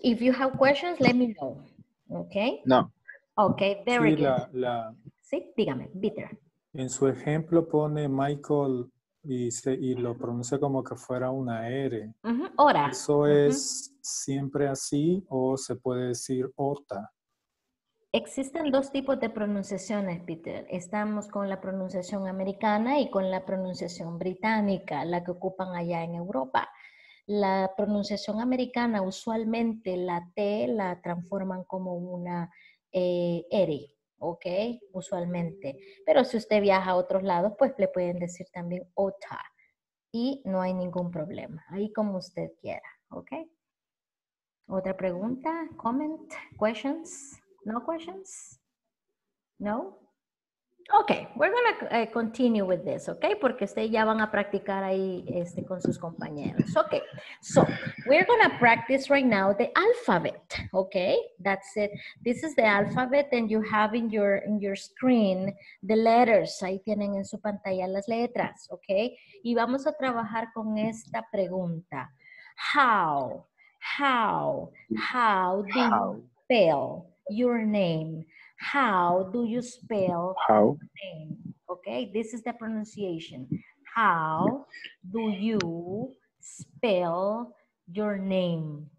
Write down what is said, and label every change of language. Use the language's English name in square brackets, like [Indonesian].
[English] If you have questions, let me know, okay? No. Okay, very good. [Spanish] Sí, dígame, Peter. En su ejemplo pone Michael y lo pronuncia como que fuera una R. Uh-huh. Ora. Eso uh-huh. es... ¿Siempre así o se puede decir Ota? Existen dos tipos de pronunciaciones, Peter. Estamos con la pronunciación americana y con la pronunciación británica, la que ocupan allá en Europa. La pronunciación americana, usualmente la T la transforman como una R, ¿ok? Usualmente. Pero si usted viaja a otros lados, pues le pueden decir también Ota. Y no hay ningún problema. Ahí como usted quiera, ¿ok? ¿Otra pregunta? [English] ¿Comment? ¿Questions? ¿No questions? [Spanish] ¿No? [English] Ok, we're going to continue with this, ok? [Spanish] Porque ustedes ya van a practicar ahí con sus compañeros. [English] Ok, so we're going to practice right now the alphabet, ok? That's it. This is the alphabet and you have in your screen the letters. [Spanish] Ahí tienen en su pantalla las letras, ok? Y vamos a trabajar con esta pregunta. [English] How do you spell your name? How do you spell your name? Okay, this is the pronunciation. How do you spell your name?